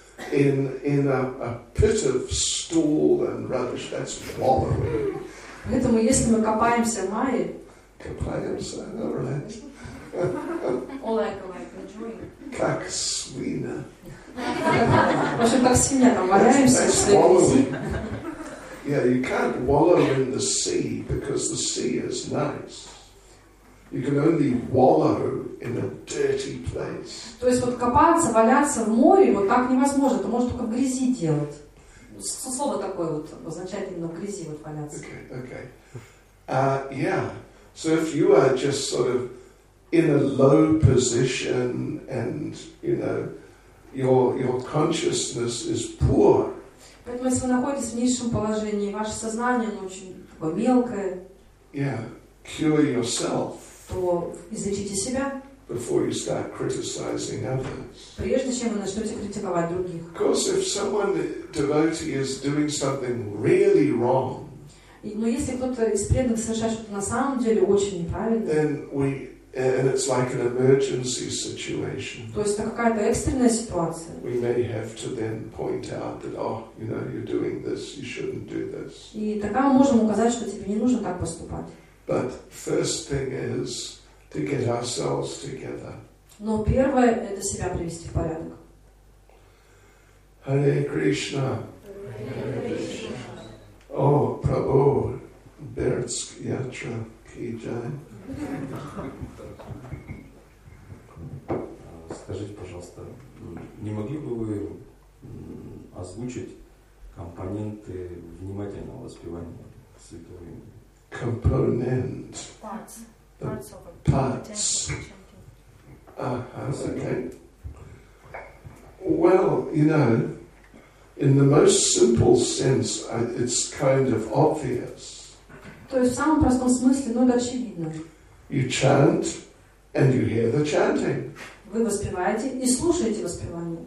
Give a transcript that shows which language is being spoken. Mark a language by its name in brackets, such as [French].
[English] In a pit of stool and rubbish, that's wallowing. [Russian] Поэтому если мы копаемся в мае, копаемся, [English] all right. Like a drink. [Russian] Как свина. В общем, как свинья там валяемся, что ли? [English] Yeah, you can't wallow in the sea because the sea is nice. You can only wallow in a dirty place. [Russian] То есть вот копаться, валяться в море, вот так невозможно. Это может только в грязи делать. Слово такое вот означает именно в грязи вот валяться. [English] Okay. Yeah. So if you are just sort of in a low position and, you know, your consciousness is poor. [Russian] Поэтому если вы находитесь в низшем положении, ваше сознание, оно очень такое мелкое. [English] Yeah. Cure yourself. [Russian] Излечите себя. [English] Before you start criticizing others. [Russian] Прежде чем вы начнете критиковать других. [English] Of course, if someone devotee is doing something really wrong. [Russian] Но если кто-то из преданных совершает что-то на самом деле очень неправильно. [English] Then we and it's like an emergency situation. [Russian] То есть это какая-то экстренная ситуация. [English] We may have to then point out that, oh, you know, you're doing this, you shouldn't do this. [Russian] И тогда мы можем указать, что тебе не нужно так поступать. [English] But first thing is to get ourselves together. [Russian] Но первое это себя привести в порядок. [Sanskrit] Hare Krishna. Hare Krishna. [Russian] О, Прабху, Бердск ятра ки джай. Скажите, пожалуйста, не могли бы вы озвучить компоненты внимательного воспевания святого имени? [English] Component. Parts. Okay. Well, you know, in the most simple sense, it's kind of obvious. [Russian] То есть в самом простом смысле, но это очевидно. [English] You chant, and you hear the chanting. [Russian] Вы воспеваете и слушаете воспевание.